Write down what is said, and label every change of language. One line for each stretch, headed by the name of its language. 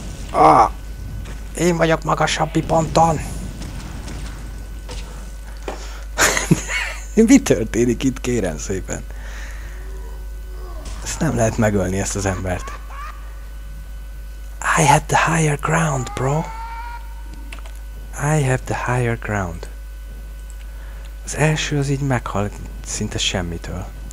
Hungarian: Ah! Én vagyok magasabbi ponton! Mi történik itt, kérem szépen? Ezt nem lehet megölni, ezt az embert.
English: I have the higher ground, bro! I have the higher ground.
Hungarian: Az első az így meghal szinte semmitől.